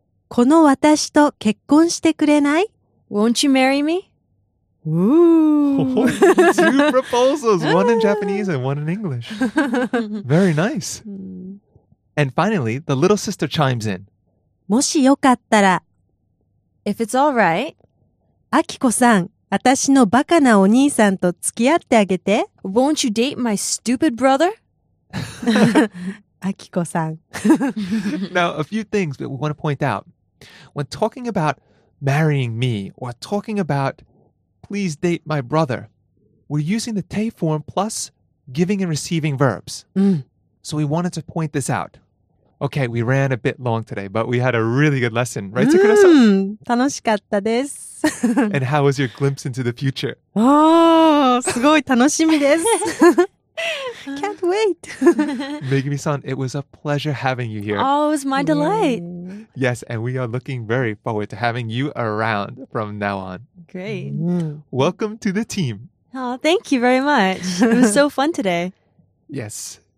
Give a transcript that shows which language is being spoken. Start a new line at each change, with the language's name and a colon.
Japanese: この私と結婚してくれない?
English: Won't you marry me? Ooh. Two proposals, one in Japanese and one in English. Very nice. And finally, the little sister chimes in.
Japanese: もしよかったら
English: If it's all right,
Japanese: あきこさん、私のバカなお兄さんと付き合ってあげて
English: Won't you date my stupid brother? Akiko-san. Now, a few things that we want to point out. When talking about marrying me or talking about please date my brother, we're using the te form plus giving and receiving verbs. So we wanted to point this out. Okay, we ran a bit long today, but we had a really good lesson, right, Sakura-san?
Japanese: 楽しかったです。
English: And how was your glimpse into the future? Oh,
Japanese: すごい楽しみです。
English: Can't wait. Megumi-san, it was a pleasure having you here. Oh, it was my delight. Yes, and we are looking very forward to having you around from now on. Great. Welcome to the team. Oh, thank you very much. It was so fun today. Yes.